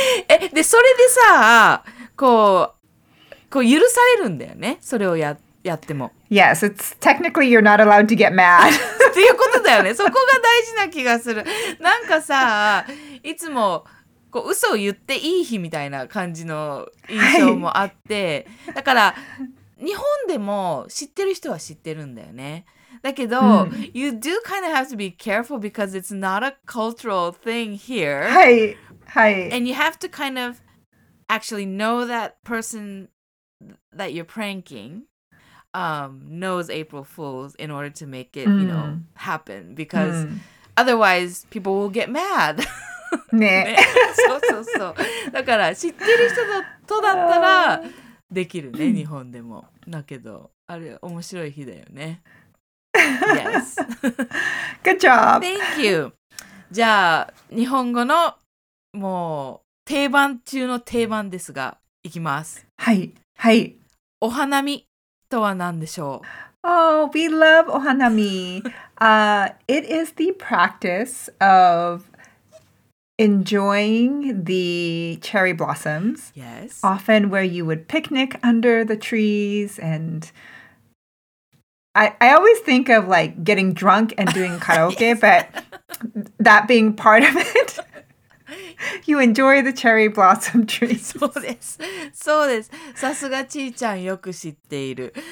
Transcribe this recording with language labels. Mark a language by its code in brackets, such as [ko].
[ja] え、で、それでさ、こう許されるんだよね。それをやっても。 [en] Yes, it's technically you're not allowed to get mad. [ja] っていうことだよね。そこが大事な気がする。なんかさ、いつもこう嘘を言っていい日みたいな感じの印象もあって、はい、だから日本でも知ってる人は知ってるんだよね。だけど、mm. [en] you do kind of have to be careful because it's not a cultural thing here. [ja] はい、はい。 [en] And you have to kind of actually know that person that you're pranking、knows April Fools in order to make it,、mm. you know, happen. Because、mm. otherwise, people will get mad. [ja] ね。ね。そうそうそう。だから知ってる人とだったらできるね、日本でも。だけど、あれ面白い日だよね。 [en] Yes. Good job. Thank you. [ja] じゃあ日本語のもう定番中の定番ですが、いきます。はい。はい。お花見とは何でしょう? [en] Oh, we love お花見. It is the practice of enjoying the cherry blossoms. Yes. Often where you would picnic under the trees andI always think of like getting drunk and doing karaoke, 、yes. but that being part of it, you enjoy the cherry blossom trees. [ja] そうです。そうです。さすがちーちゃんよく知っている。